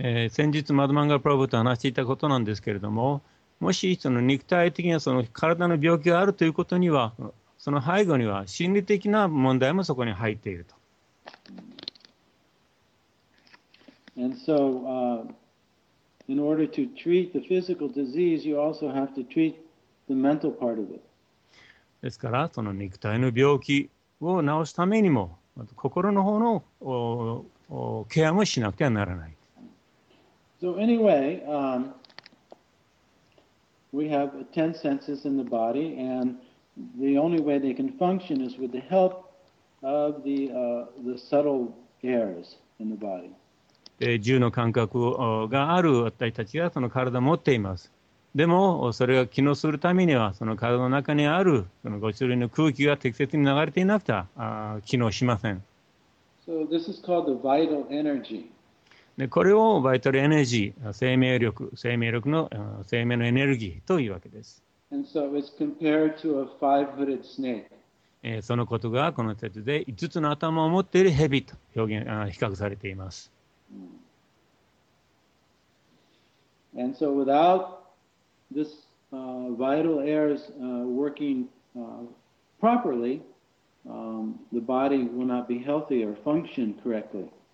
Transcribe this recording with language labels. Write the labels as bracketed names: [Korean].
[Japanese] 先日マドマンガプラブと話していたことなんですけれども、もしその肉体的なその体の病気があるということには、その背後には心理的な問題もそこに入っていると。 [English] And so, In order to treat the physical disease, you also have to treat the mental part of it. [Japanese] ですから、その肉体の病気を治すためにも、心の方のケアもしなくてはならない。 [English] So anyway, We have 10 senses in the body, and the only way they can function is with the help of the subtle airs in the body. [Japanese] 10の感覚がある私たちがその体を持っています。でもそれが機能するためにはその体の中にあるその5種類の空気が適切に流れていなくては機能しません。 [English] So this is called the vital energy. [Japanese] でこれをバイタルエネルギー、生命力、生命力の生命のエネルギーというわけです。 [English] And so it's compared to a five-footed snake. [Japanese] そのことがこの説で5つの頭を持っている蛇と表現比較されています。 [English] And so without this vital airs working properly, the body will not be healthy or function correctly.